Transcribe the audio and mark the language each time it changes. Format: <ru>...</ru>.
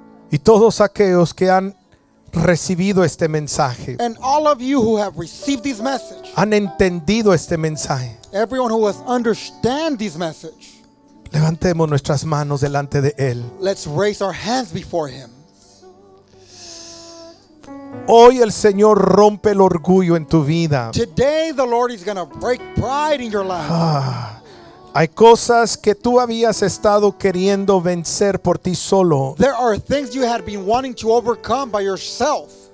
<es>Y todos aquellos que han recibido este mensaje.</es> <en>And all of you who have received this message.</en> <es>Han entendido este mensaje.</es> <en>Everyone who has understand this message.</en> <es>Levantemos nuestras manos delante de él.</es> <en>Let's raise our hands before him.</en> <es>Hoy el Señor rompe el orgullo en tu vida.</es> <en>Today the Lord is going to break pride in your life. Ah,</en> <es>Hay cosas que tú habías estado queriendo vencer por ti solo.</es> <en>There are things you had been wanting to overcome by yourself.</en>